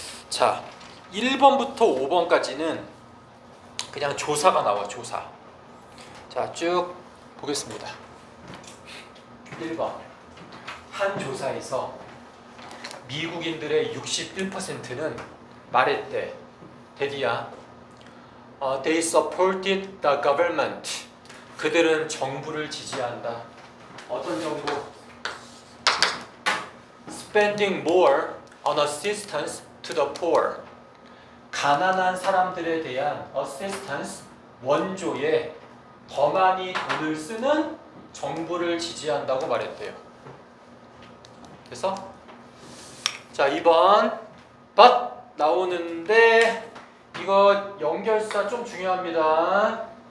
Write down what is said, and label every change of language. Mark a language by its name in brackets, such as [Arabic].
[Korean] 자, 1번부터 5번까지는 그냥 조사가 나와, 조사. 자, 쭉 보겠습니다. 1번. 한 조사에서 미국인들의 61%는 말했대. 대디야. [English] They supported the government. [Korean] 그들은 정부를 지지한다. 어떤 정부? [English] Spending more on assistance to the poor. [Korean] 가난한 사람들에 대한 assistance, 원조에 더 많이 돈을 쓰는 정부를 지지한다고 말했대요. 됐어? 자, 2번. But 나오는데 이거 연결사 좀 중요합니다.